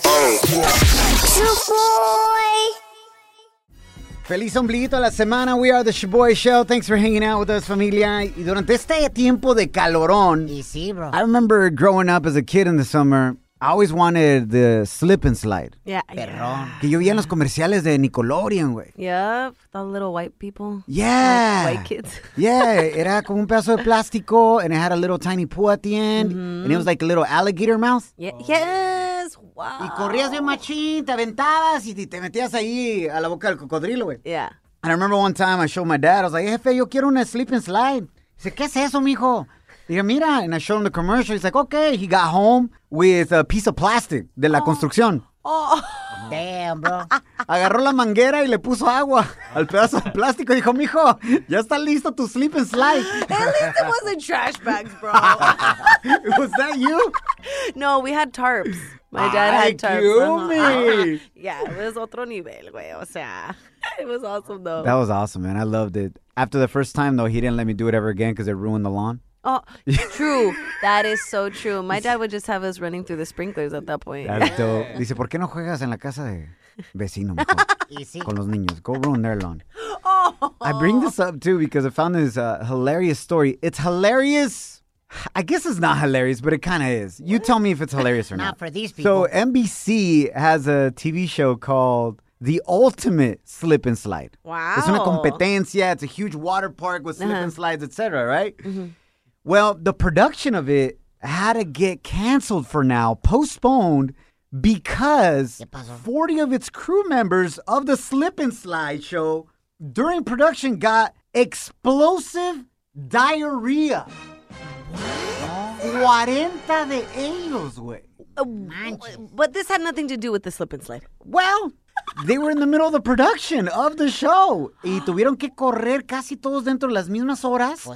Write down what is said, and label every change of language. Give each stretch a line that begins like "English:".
English: Shaboy.
Spanish: Feliz ombliguito a la semana.
English: We are the Shaboy Show. Thanks for hanging out with us, familia.
Spanish: Y durante este tiempo de calorón, y sí, bro.
English: I remember growing up as a kid in the summer, I always wanted the slip and slide. Yeah.
Spanish: Perrón. Que yo vi en los comerciales de Nickelodeon, güey.
English: Yep. The little white people. Yeah. Like white kids. Yeah.
Spanish: Era como un pedazo de plástico,
English: and it had a little tiny pool at the end, mm-hmm. and it was like a little alligator mouth. Yeah. Oh. Yes. Wow.
Spanish: Y corrías bien machín, te aventabas, y te metías ahí a la boca del cocodrilo, güey.
English: Yeah. And I remember one time I showed my dad, I was like,
Spanish: jefe, yo quiero una
English: slip and slide. Dice, ¿qué es eso, mijo? Dije, mira, and I showed him the commercial. He's like, okay. He got home with a piece of plastic
Spanish: de la construcción.
English: Oh. Damn, bro.
Spanish: Agarró la manguera y le puso agua al pedazo de plástico. Dijo, mijo, ya está listo tu slip and slide.
English: At least it wasn't trash bags, bro. Was that you? No, we had tarps. My dad had tarps. Yumi. Yeah, it was
Spanish: otro nivel,
English: güey.
Spanish: O sea,
English: it was awesome, though. That was awesome, man. I loved it. After the first time, though, he didn't let me do it ever again because it ruined the lawn. Oh, true. That is so true. My dad would just have us running through the sprinklers at that point.
Spanish: Dice, ¿por qué no juegas en la casa de vecino mejor? Con los niños.
English: Go ruin their lawn. Oh. I bring this up, too, because I found this hilarious story. It's hilarious. I guess it's not hilarious, but it kind of is. You tell me if it's hilarious or not. Not for these people. So NBC has a TV show called The Ultimate Slip and Slide. Wow.
Spanish: It's una competencia.
English: It's a huge water park with slip and slides, etc., right? Mm-hmm. Well, the production of it had to get canceled for now, postponed, because 40 of its crew members of the Slip and Slide show during production got explosive diarrhea. What?
Spanish: 40 de ellos, güey.
English: But this had nothing to do with the Slip and Slide. Well, they were in the middle of the production of the show.
Spanish: Y tuvieron que correr casi todos dentro de las mismas horas.